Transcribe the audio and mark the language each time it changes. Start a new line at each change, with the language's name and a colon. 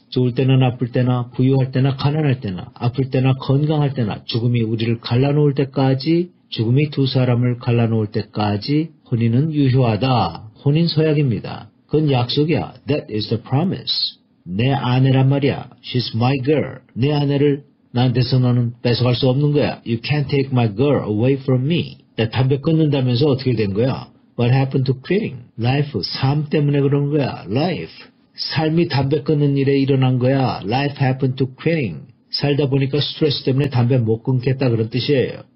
Korean: 좋을 때나 나쁠 때나 부유할 때나 가난할 때나 아플 때나 건강할 때나 죽음이 우리를 갈라놓을 때까지 죽음이 두 사람을 갈라놓을 때까지 혼인은 유효하다. 혼인 서약입니다. 그건 약속이야.
English: That is the promise.
Korean: 내 아내란 말이야.
English: She's my girl.
Korean: 내 아내를 나한테서 너는 뺏어갈 수 없는 거야.
English: You can't take my girl away from me.
Korean: 나 담배 끊는다면서 어떻게 된 거야?
English: What happened to quitting? Life.
Korean: 삶 때문에 그런 거야.
English: Life.
Korean: 삶이 담배 끊는 일에 일어난 거야.
English: Life happened to quitting.
Korean: 살다 보니까 스트레스 때문에 담배 못 끊겠다 그런 뜻이에요.